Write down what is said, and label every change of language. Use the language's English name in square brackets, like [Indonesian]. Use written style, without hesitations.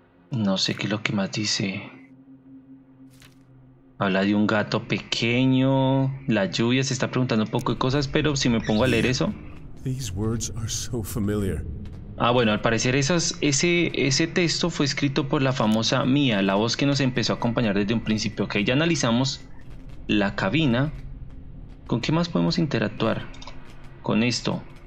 [Spanish] No sé qué es lo que más dice. Habla de un gato pequeño, la lluvia, se está preguntando un poco de cosas, pero si me pongo a leer eso. [English] These words are so familiar. [Spanish] Ah, bueno, al parecer ese texto fue escrito por la famosa Mia, la voz que nos empezó a acompañar desde un principio. Ok, ya analizamos la cabina. ¿Con qué más podemos interactuar? Con esto.